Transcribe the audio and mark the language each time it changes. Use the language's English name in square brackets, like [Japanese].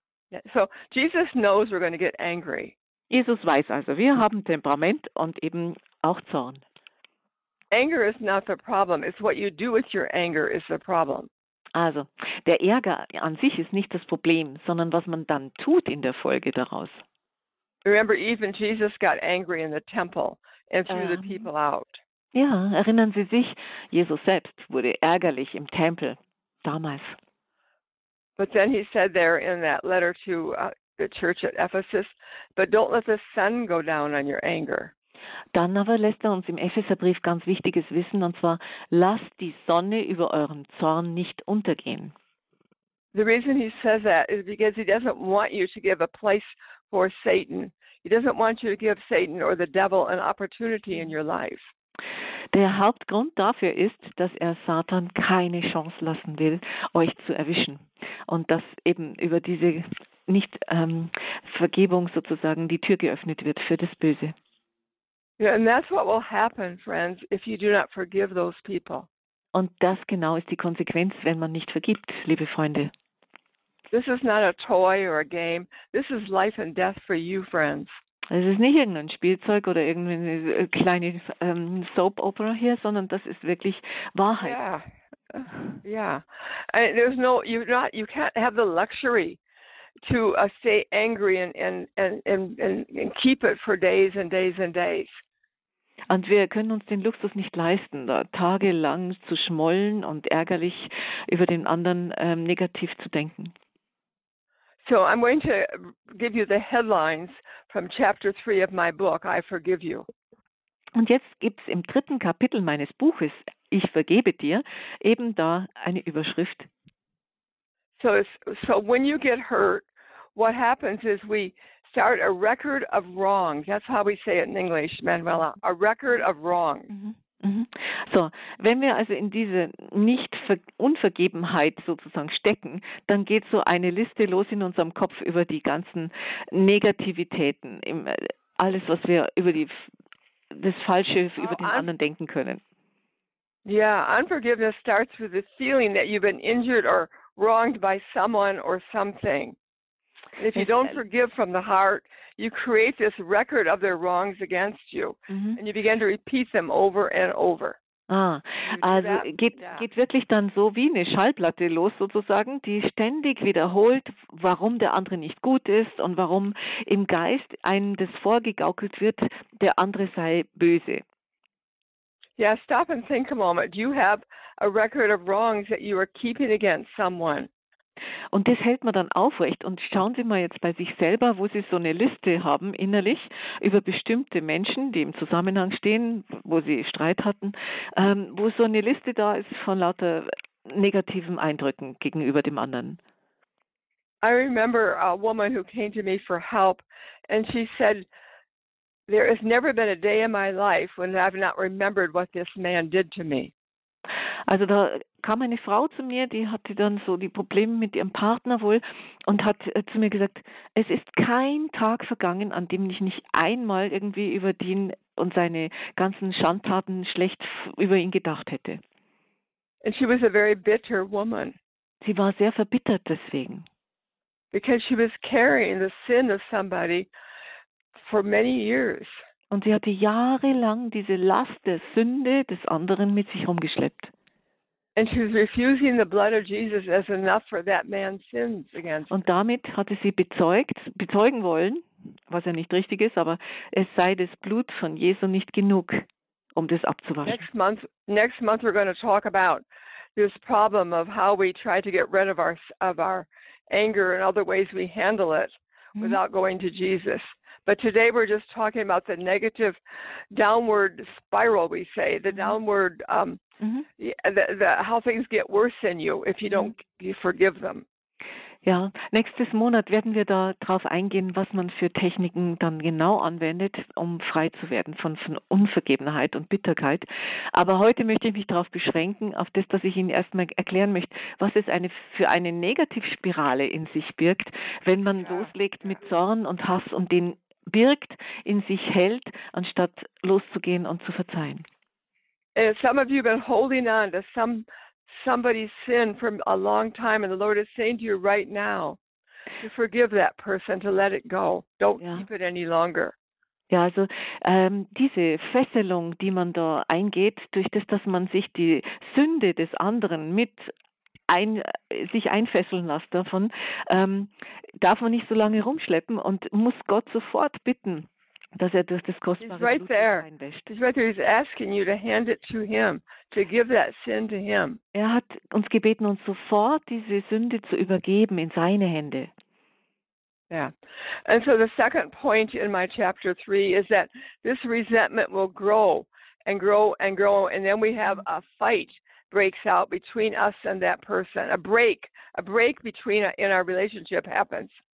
[English] Yeah, so Jesus knows we're going to get angry. [German] Jesus weiß also, wir haben Temperament und eben auch Zorn. [English] Anger is not the problem. It's what you do with your anger is the problem. [German] Also, der Ärger an sich ist nicht das Problem, sondern was man dann tut in der Folge daraus. [English] Remember, even Jesus got angry in the temple and threw the people out. [German] Ja, erinnern Sie sich, Jesus selbst wurde ärgerlich im Tempel damals. [English] But then he said there in that letter to the church at Ephesus, but don't let the sun go down on your anger. [German] Dann aber lässt er uns im Epheserbrief ganz Wichtiges wissen, und zwar, lasst die Sonne über euren Zorn nicht untergehen. [English] The reason he says that is because he doesn't want you to give a place for Satan. He doesn't want you to give Satan or the devil an opportunity in your life. [German] Der Hauptgrund dafür ist, dass er Satan keine Chance lassen will, euch zu erwischen. Und dass eben über diese Nicht-Vergebung sozusagen die Tür geöffnet wird für das Böse. [English] Yeah, and that's what will happen, friends, if you do not forgive those people. [German] Und das genau ist die Konsequenz, wenn man nicht vergibt, liebe Freunde. [English] This is not a toy or a game. This is life and death for you, friends. [German] Es ist nicht irgendein Spielzeug oder irgendeine kleine Soap Opera hier, sondern das ist wirklich Wahrheit. [English] Yeah, yeah. And there's no, you can't have the luxury to stay angry and keep it for days and days and days. [German] Und wir können uns den Luxus nicht leisten, da tagelang zu schmollen und ärgerlich über den anderen negativ zu denken. [English] So I'm going to give you the headlines from chapter 3 of my book, I Forgive You. [German] Und jetzt gibt es im dritten Kapitel meines Buches, Ich vergebe dir, eben da eine Überschrift. [English] So when you get hurt, what happens is we start a record of wrongs. That's how we say it in English, Manuela, a record of wrongs. [German] So, wenn wir also in diese Unvergebenheit sozusagen stecken, dann geht so eine Liste los in unserem Kopf über die ganzen Negativitäten, alles, was wir über das Falsche, über den anderen denken können. [English] Yeah, unforgiveness starts with the feeling that you've been injured or wronged by someone or something. If you don't forgive from the heart, you create this record of their wrongs against you. Mm-hmm. And you begin to repeat them over and over. [German] Ah, also geht wirklich dann so wie eine Schallplatte los sozusagen, die ständig wiederholt, warum der andere nicht gut ist und warum im Geist einem das vorgegaukelt wird, der andere sei böse. [English] Yeah, stop and think a moment. Do you have a record of wrongs that you are keeping against someone? [German] Und das hält man dann aufrecht. Und schauen Sie mal jetzt bei sich selber, wo Sie so eine Liste haben innerlich über bestimmte Menschen, die im Zusammenhang stehen, wo Sie Streit hatten, wo so eine Liste da ist von lauter negativen Eindrücken gegenüber dem anderen. [English] I remember a woman who came to me for help and she said, there has never been a day in my life when I've not remembered what this man did to me. [German] Also da kam eine Frau zu mir, die hatte dann so die Probleme mit ihrem Partner wohl und hat zu mir gesagt, es ist kein Tag vergangen, an dem ich nicht einmal irgendwie über den und seine ganzen Schandtaten schlecht über ihn gedacht hätte. [English] And she was a very bitter woman. [German] Sie war sehr verbittert deswegen. [English] Because she was carrying the sin of somebody for many years. [German] Und sie hatte jahrelang diese Last der Sünde des anderen mit sich rumgeschleppt. [English] And she was refusing the blood of Jesus as enough for that man's sins against her. [German] Und damit hatte sie bezeugen wollen, was ja nicht richtig ist, aber es sei das Blut von Jesu nicht genug, um das abzuwaschen. [English] Next month we're going to talk about this problem of how we try to get rid of our anger and other ways we handle it without going to Jesus. But today we're just talking about the negative downward spiral, we say, the downward, how things get worse in you if you don't forgive them. [German] Ja, nächstes Monat werden wir da drauf eingehen, was man für Techniken dann genau anwendet, um frei zu werden von Unvergebenheit und Bitterkeit. Aber heute möchte ich mich darauf beschränken, auf das, dass ich Ihnen erstmal erklären möchte, was es für eine Negativspirale in sich birgt, wenn man loslegt mit Zorn und Hass und den birgt, in sich hält, anstatt loszugehen und zu verzeihen. [English] And some of you have been holding on to somebody's sin for a long time, and the Lord is saying to you right now to forgive that person, to let it go. Don't keep it any longer. [German] Ja, also diese Fesselung, die man da eingeht, durch das, dass man sich die Sünde des anderen sich einfesseln lässt davon, darf man nicht so lange rumschleppen und muss Gott sofort bitten, dass er durch das kostbare Blut reinwäscht. [English] He's right there. He's asking you to hand it to him, to give that sin to him. [German] Er hat uns gebeten, uns sofort diese Sünde zu übergeben in seine Hände. [English] Yeah. And so the second point in my chapter 3 is that this resentment will grow and grow and grow. And then we have a fight breaks out between us and that person, a break between in our relationship happens.